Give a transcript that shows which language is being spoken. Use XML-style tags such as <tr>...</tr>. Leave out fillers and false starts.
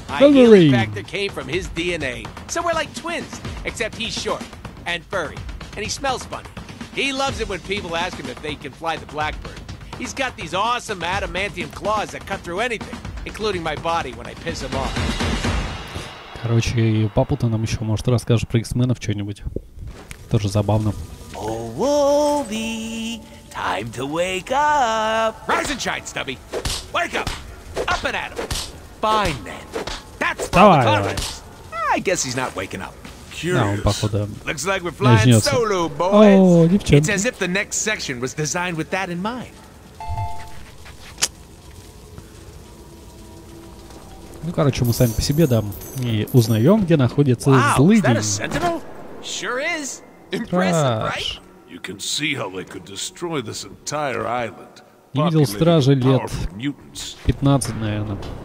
<en>My healing factor came from his DNA. So we're like twins, except he's short and furry, and he smells funny. He loves it when people ask him if they can fly the Blackbird. He's got these awesome adamantium claws that cut through anything, including my body when I piss him off.</en> <ru>Короче, папу ты нам еще, может, расскажешь про X-менов что-нибудь. Тоже забавно.</ru> <en>Oh, Wolvie, time to wake up! Rise and shine, Stubby! Wake up! Up and at him! Fine, then. That's for the conference! I guess he's not waking up. Curious. Looks like we're flying solo, boys. It's as if the next section was designed with that in mind.</en> <ru>Ну, короче, мы сами по себе, да, и узнаем, где находится злыдень.</ru> <en>Wow, is that a sentinel? Sure is. Impressive, right? You can see how they could destroy this entire island.</en> <ru>Не видел стражи лет 15, наверное.</ru>